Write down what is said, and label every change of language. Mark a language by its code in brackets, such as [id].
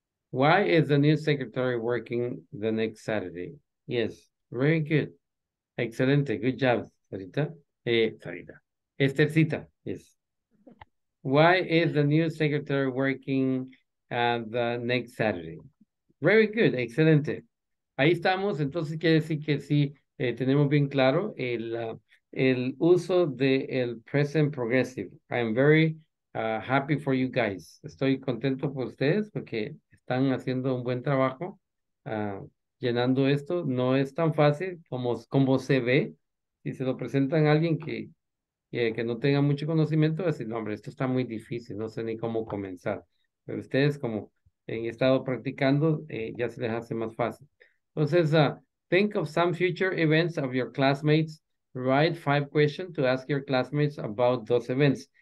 [en] Why is the new secretary working the next Saturday? Yes. Very good. [es] Excelente. [en] Good job, Sarita. Sarita. Esthercita. Yes. Why is the new secretary working the next Saturday? Very good. [es] Excelente. Ahí estamos. Entonces quiere decir que sí, tenemos bien claro el uso del present progressive. [en] I am very happy for you guys. [es] Estoy contento por ustedes porque están haciendo un buen trabajo llenando esto. No es tan fácil como se ve. Si se lo presentan a alguien que no tenga mucho conocimiento, va a decir, no, hombre, esto está muy difícil, no sé ni cómo comenzar. Pero ustedes, como han estado practicando, ya se les hace más fácil. Entonces, [en] think of some future events of your classmates. Write 5 questions to ask your classmates about those events.